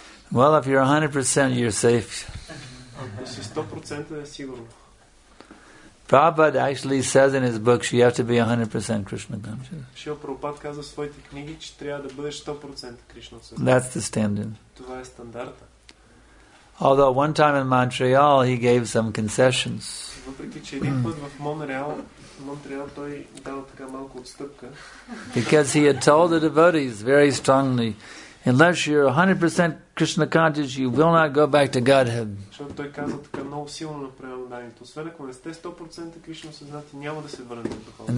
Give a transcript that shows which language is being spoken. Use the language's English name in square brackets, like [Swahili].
[English] Well, if you're 100%, you're safe. 100% sure. Prabhupada actually says in his books you have to be 100% Krishna conscious. [Bulgarian] Шрила Прабхупада казва в своите книги, че трябва да бъдеш 100% Кришна осъзнат. [English] That's the standard. [Bulgarian] Това е стандарта. [English] Although one time in Montreal he gave some concessions. [Bulgarian] Въпреки че един път в Монреал той дал така малко отстъпка. [English] Because he had told the devotees very strongly, unless you're 100% Krishna conscious, you will not go back to Godhead. [Bulgarian] Защото той каза така много силно на преданието. Освен ако не сте 100% Кришна осъзнати, няма да се върнете в духовност.